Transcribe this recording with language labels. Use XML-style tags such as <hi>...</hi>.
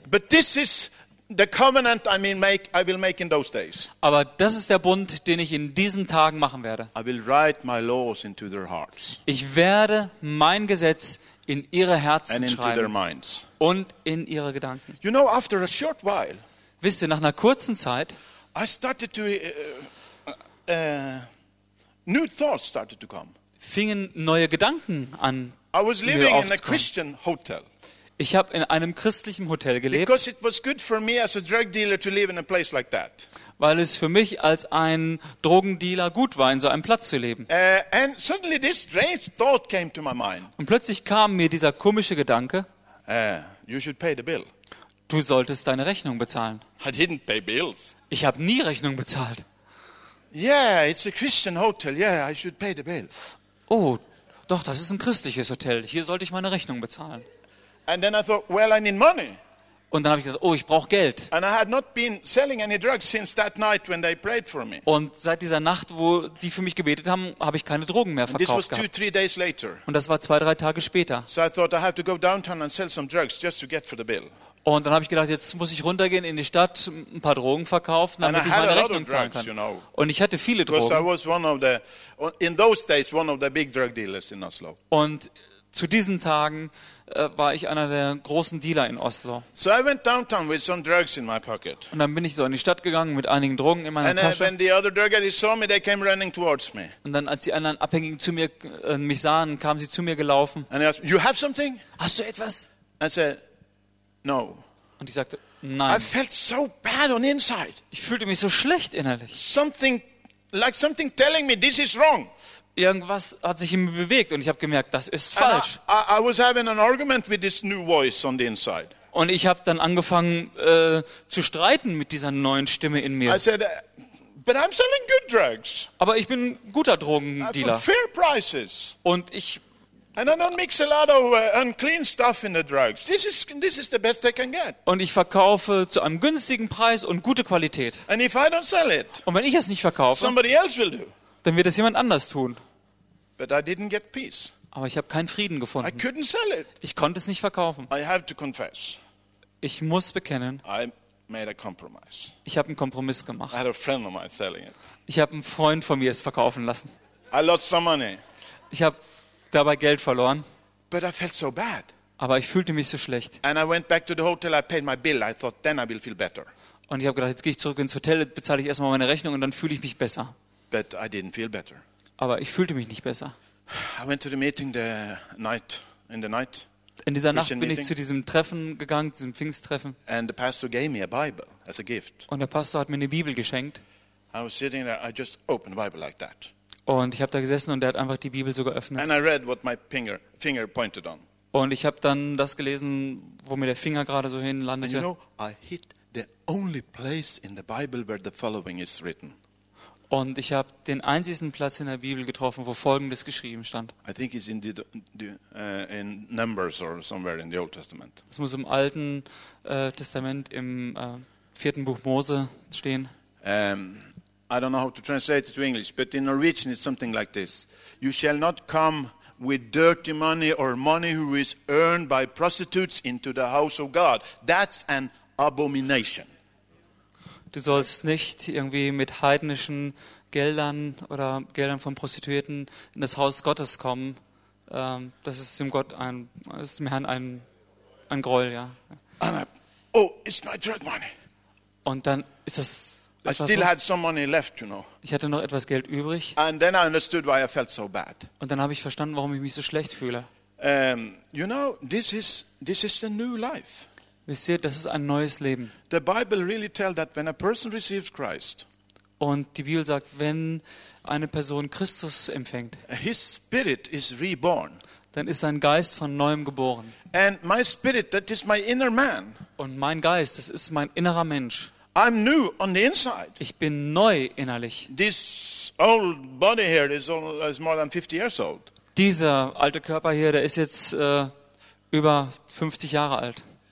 <en>But this is the covenant I will make in those days.</en> <de>Aber das ist der Bund, den ich in diesen Tagen machen werde.</de> <en>I will write my laws into their hearts.</en> <de>Ich werde mein Gesetz in ihre Herzen</de> <en>and into</en> <de>schreiben</de> <en>their minds.</en> <de>Und in ihre Gedanken.</de> <en>You know, after a short while,</en> <de>wisst ihr, nach einer kurzen Zeit,</de> <en>I started to new thoughts started to come.</en> <de>Fingen neue Gedanken an.</de> <en>I was living in a Christian hotel.</en> <de>Ich habe in einem christlichen Hotel gelebt.</de> <en>Because it was good for me as a drug dealer to live in a place like that.</en> <de>Weil es für mich als ein Drogendealer gut war, in so einem Platz zu leben.</de> <en>And suddenly this strange thought came to my mind.</en> <de>Und plötzlich kam mir dieser komische Gedanke.</de> <en>You should pay the bill.</en> <de>Du solltest deine Rechnung bezahlen.</de> <en>I didn't pay bills.</en> <de>Ich habe nie Rechnung bezahlt.</de> <en>Yeah, it's a Christian hotel. Yeah, I should pay the bill.</en> <de>Oh, doch, das ist ein christliches Hotel. Hier sollte ich meine Rechnung bezahlen.</de> <en>And then I thought, well, I need money.</en> <de>Und dann habe ich gesagt, oh, ich brauche Geld.</de> <en>And I had not been selling any drugs since that night when they prayed for me.</en> <de>Und seit dieser Nacht, wo die für mich gebetet haben, habe ich keine Drogen mehr verkauft.</de> <en>And this was 2-3 days later.</en> <de>Und das war 2-3 Tage später.</de> <en>So I thought I have to go downtown and sell some drugs just to get for the bill.</en> <de>Und dann habe ich gedacht, jetzt muss ich runtergehen in die Stadt, ein paar Drogen verkaufen, damit ich meine Rechnung zahlen kann.</de> <en>You know,</en> <de>und ich hatte viele Drogen.</de> <en>Because I was one of the, in those days, one of the big drug dealers in Oslo.</en> <de>Und zu diesen Tagen war ich einer der großen Dealer in Oslo.</de> <en>So I went downtown with some drugs in my pocket.</en> <de>Und dann bin ich so in die Stadt gegangen mit einigen Drogen in meiner Tasche.</de> <en>When the other drug addicts saw me, they came running towards me.</en> <de>Und dann, als die anderen Abhängigen zu mir mich sahen, kamen sie zu mir gelaufen.</de> <en>And they asked, "You have something?"</en> <de>Hast du etwas?</de> <en>I said, "No."</en> <de>Und ich sagte, nein.</de> <en>I felt so bad on the inside.</en> <de>Ich fühlte mich so schlecht innerlich.</de> <en>Something, like something telling me this is wrong.</en> <de>Irgendwas hat sich in mir bewegt und ich habe gemerkt, das ist falsch.</de> <en>I was having an argument with this new voice on the inside.</en> <de>Und ich habe dann angefangen zu streiten mit dieser neuen Stimme in mir.</de> <en>I said, but I'm selling good drugs.</en> <de>Aber ich bin ein guter Drogendealer.</de> <en>For fair prices.</en> <de>Und ich</de> <en>and I don't mix a lot of unclean stuff in the drugs. This is the best I can get.</en> <de>Und ich verkaufe zu einem günstigen Preis und gute Qualität.</de> <en>And if I don't sell it.</en> <de>Und wenn ich es nicht verkaufe,</de> <en>somebody else will do.</en> <de>Dann wird es jemand anders tun.</de> <en>But I didn't get peace.</en> <de>Aber ich habe keinen Frieden gefunden.</de> <en>I couldn't sell it.</en> <de>Ich konnte es nicht verkaufen.</de> <en>I have to confess.</en> <de>Ich muss bekennen.</de> <en>I made a compromise.</en> <de>Ich habe einen Kompromiss gemacht.</de> <en>I had a friend of mine selling it.</en> <de>Ich habe einen Freund von mir es verkaufen lassen.</de> <en>I lost some money.</en> <de>Ich habe dabei Geld verloren.</de> <en>But I felt so bad.</en> <de>Aber ich fühlte mich so schlecht.</de> <en>And I went back to the hotel. I paid my bill. I thought then I will feel better.</en> <de>Und ich habe gedacht, jetzt gehe ich zurück ins Hotel, bezahle ich erstmal meine Rechnung und dann fühle ich mich besser.</de> <en>But I didn't feel better.</en> <de>Aber ich fühlte mich nicht besser.</de> <en>I went to the meeting the night in the night.</en> <de>In dieser Nacht bin ich zu diesem Treffen gegangen, diesem Pfingsttreffen.</de> <en>And the pastor gave me a Bible as a gift.</en> <de>Und der Pastor hat mir eine Bibel geschenkt.</de> <en>I was sitting there, I just opened the Bible like that.</en> <de>Und ich habe da gesessen und er hat einfach die Bibel so geöffnet.</de> <en>And I read what my finger pointed on.</en> <de>Und ich habe dann das gelesen, wo mir der Finger gerade so hinlandete.</de> <en>And you know, I hit the only place in the Bible where the following is written.</en> <de>Und ich habe den einzigen Platz in der Bibel getroffen, wo Folgendes geschrieben stand.</de> <en>I think it's in in Numbers or somewhere in the Old Testament.</en> <de>Es muss im Alten Testament im vierten Buch Mose stehen.</de> <en>I don't know how to translate it to English, but in Norwegian it's something like this. You shall not come with dirty money or money who is earned by prostitutes into the house of God. That's an abomination.</en> <de>Du sollst nicht irgendwie mit heidnischen Geldern oder Geldern von Prostituierten in das Haus Gottes kommen. Das ist dem Gott ein, das ist dem Herrn ein Gräuel, ja.</de> <en>Oh, it's my drug money.</en> <de>Und dann ist das.</de> <en>I still had some money left, you know.</en> <de>Ich hatte noch etwas Geld übrig.</de> <en>And then I understood why I felt so bad.</en> <de>Und dann habe ich verstanden, warum ich mich so schlecht fühle.</de> <en>You know, this is the new life.</en> <de>Wisst ihr, das ist ein neues Leben.</de> <en>The Bible really tells that when a person receives Christ,</en> <de>und die Bibel sagt, wenn eine Person Christus empfängt,</de> <en>his spirit is reborn.</en> <de>Dann ist sein Geist von neuem geboren.</de> <en>And my spirit, that is my inner man.</en> <de>Und mein Geist, das ist mein innerer Mensch.</de> <en>I'm new on the inside.</en> <de>Ich bin neu innerlich.</de> <en>This old body here is more than 50 years old.</en> <de>Dieser alte Körper hier, der ist jetzt über 50 Jahre alt.</de>